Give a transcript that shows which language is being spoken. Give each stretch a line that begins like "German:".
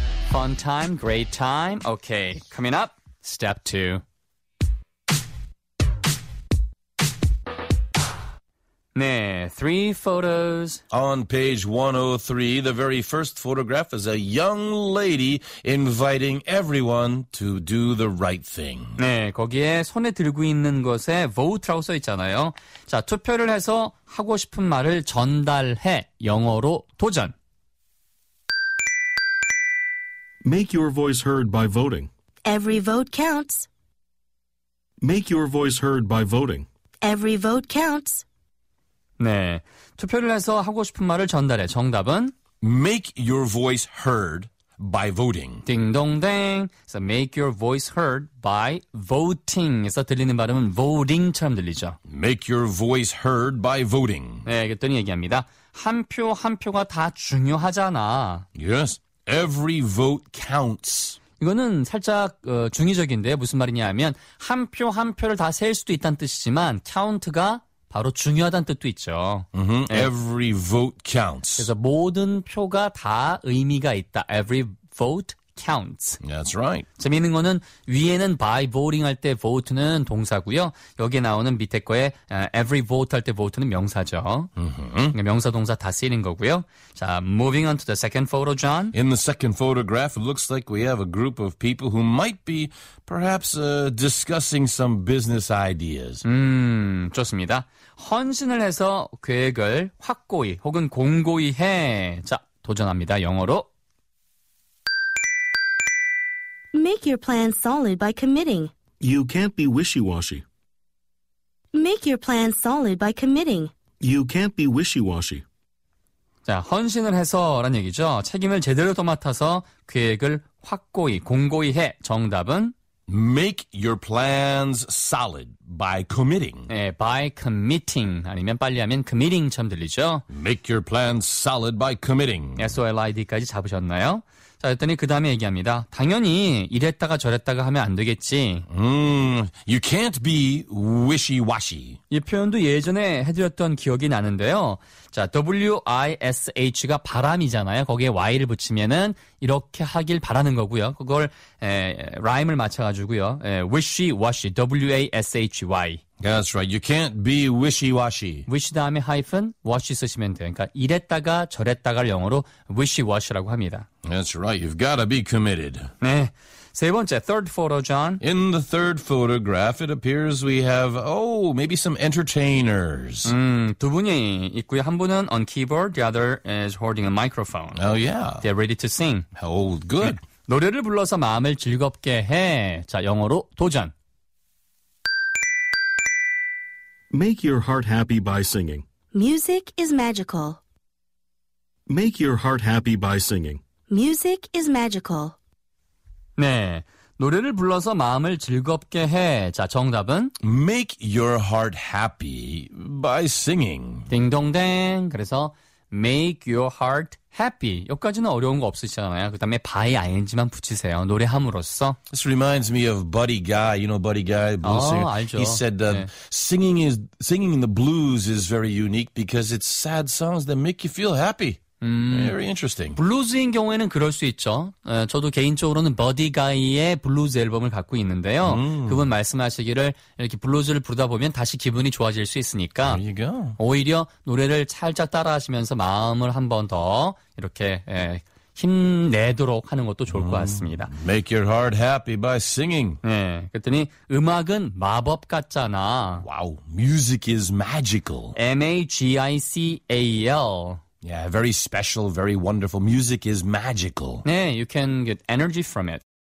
English: Fun time, great time. Okay, coming up, step two. 네, three photos. On page 103, the very first photograph is a young lady inviting everyone to do the right thing.
Korean: 네, 거기에 손에 들고 있는 것에 vote라고 써 있잖아요. 자, 투표를 해서 하고 싶은 말을 전달해. 영어로 도전.
English: Make your voice heard by voting. Every vote counts. Make your voice heard by voting. Every vote counts.
Korean: 네, 투표를 해서 하고 싶은 말을 전달해. 정답은
English: Make your voice heard by voting.
Korean: 딩동댕.
English: So make your voice heard by voting.
Korean: 에서 들리는 발음은 voting처럼 들리죠.
English: Make your voice heard by voting.
Korean: 네, 그랬더니 얘기합니다. 한 표 한 표가 다 중요하잖아.
English: Yes, every vote counts.
Korean: 이거는 살짝 중의적인데요. 무슨 말이냐면 한 표 한 표를 다 셀 수도 있다는 뜻이지만 count가 바로 중요하다는 뜻도 있죠.
English: Mm-hmm. 네. Every vote counts.
Korean: 그래서 모든 표가 다 의미가 있다.
English: Every vote counts. That's right.
Korean: 재미있는 거는 위에는
English: by voting
Korean: 할 때 vote는 동사고요. 여기에 나오는 밑에 거에
English: every vote
Korean: 할 때 vote는 명사죠. Mm-hmm. 그러니까 명사, 동사 다 쓰이는 거고요.
English: 자, moving on to the second photo, John. In the second photograph, it looks like we have a group of people who might be perhaps discussing some business ideas.
Korean: 좋습니다. 헌신을 해서 계획을 확고히 혹은 공고히 해. 자, 도전합니다. 영어로.
English: Make your plan solid by committing. You can't be wishy-washy. Make your plan solid by committing. You can't be wishy-washy.
Korean: 자, 헌신을 해서란 얘기죠. 책임을 제대로 도맡아서 계획을 확고히, 공고히 해. 정답은?
English: Make your plans solid by committing. 네, by committing.
Korean: 아니면 빨리 하면 committing처럼 들리죠.
English: Make your plans solid by committing.
Korean: SOLID까지 잡으셨나요? 자, 그랬더니 그 다음에 얘기합니다. 당연히 이랬다가 저랬다가 하면 안 되겠지.
English: You can't be wishy-washy.
Korean: 이 표현도 예전에 해드렸던 기억이 나는데요. 자, W-I-S-H가 바람이잖아요. 거기에 Y를 붙이면은 이렇게 하길 바라는 거고요. 그걸 라임을 맞춰가지고요.
English: 에, wishy-washy, W-A-S-H-Y. That's right. You can't be wishy-washy.
Korean: Wish 다음에
English: hyphen, washy
Korean: 쓰시면 돼요. 그러니까 이랬다가 저랬다가를 영어로 wishy-washy라고 합니다.
English: That's right. You've got to be committed. 네.
Korean: 세 번째,
English: third photo, John. In the third photograph, it appears we have, oh, maybe some entertainers.
Korean: 두 분이 있고요. 한 분은
English: on keyboard, the other is holding a microphone. Oh, yeah. They're ready to sing. Oh, good.
Korean: 네. 노래를 불러서 마음을 즐겁게 해. 자, 영어로 도전.
English: Make your heart happy by singing. Music is magical. Make your heart happy by singing. Music is magical.
Korean: 네, 노래를 불러서 마음을 즐겁게 해. 자, 정답은?
English: Make your heart happy by singing.
Korean: 딩동댕. 그래서
English: make your heart happy.
Korean: 여기까지는 어려운 거 없으시잖아요. 그 다음에
English: by ing
Korean: 만 붙이세요. 노래함으로써.
English: This reminds me of Buddy Guy. You know Buddy Guy? Blues singer.
Korean: 알죠.
English: He said that 네. singing in the blues is very unique because it's sad songs that make you feel happy. Very interesting.
Korean: 블루즈인 경우에는 그럴 수 있죠. 저도 개인적으로는 버디 가이의 블루즈 앨범을 갖고 있는데요. 그분 말씀하시기를 이렇게 블루즈를 부르다 보면 다시 기분이 좋아질 수 있으니까 오히려 노래를 살짝 따라하시면서 마음을 한 번 더 이렇게 힘내도록 하는 것도 좋을 것 같습니다.
English: Make your heart happy by singing.
Korean: 네, 그랬더니 음악은 마법 같잖아.
English: Wow, music is magical. M-A-G-I-C-A-L. Yeah, very special, very wonderful. Music is magical. Yeah, you can get energy from it.